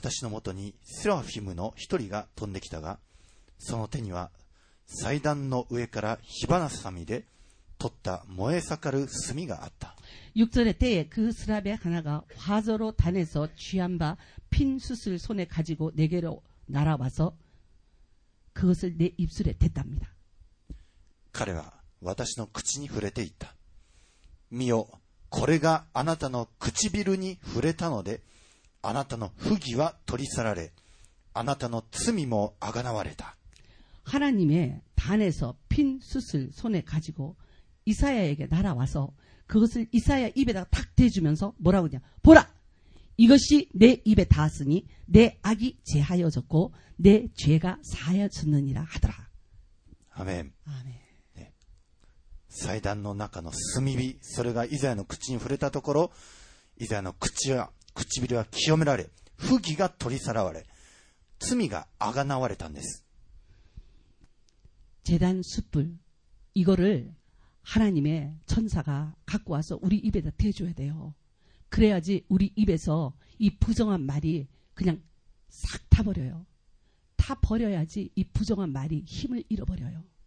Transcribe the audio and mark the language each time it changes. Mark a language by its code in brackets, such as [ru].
[ja] すると私のもとにセラフィムの一人が飛んできたが、 その手には祭壇の上から火花さみで取った燃え盛る炭があった。 [ko] 6절에 때에 그 스랍의 하나가 화조로 단해서 취한 바 핀숯을 손에 가지고 내게로 날아와서 그것을 내 입술에 댔답니다. [ja] 彼は私の口に触れていた。미요, これがあなたの唇に触れたので、 あなたの不義は取り去られ、あなたの罪もあがなわれた。 [ko] 하나님의 단에서 핀 숯을 손에 가지고 이사야에게 날아와서 그것을 이사야 입에다가 탁 대주면서 뭐라고 하냐? 보라! 이것이 내 입에 닿았으니 내 악이 제하여졌고 내 죄가 사하여졌느니라 하더라. 아멘. 아멘. 네. [ja] 祭壇の中の炭火, それがイザヤの口に触れたところ, イザヤの口は 唇は 清められ, 不義が 取り去られ, 罪が 아가나われたんです. [ko] 제단 숯불, 이거를 하나님의 천사가 갖고 와서 우리 입에다 대줘야 돼요. 그래야지 우리 입에서 이 부정한 말이 그냥 싹 타버려요. 타버려야지 이 부정한 말이 힘을 잃어버려요.